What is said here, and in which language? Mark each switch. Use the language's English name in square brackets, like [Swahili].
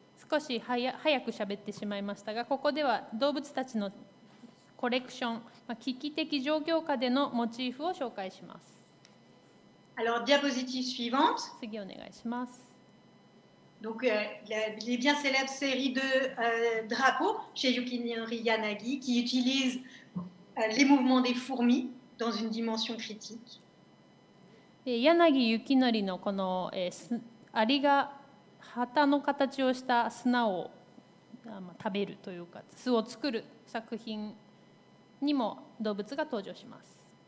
[Japanese] 少し早く喋ってしまいましたが、ここでは動物たちのコレクション、危機的状況下でのモチーフを紹介します。 [French] Alors, diapositive suivante. [Japanese] 次お願いします。 [French] Donc, les bien célèbres séries de drapeaux chez Yukinori Yanagi qui utilisent les mouvements des fourmis dans une dimension critique. [Japanese] Yanagi Yukinori のこの、アリが旗の形をした砂を食べるというか、巣を作る作品にも動物が登場します。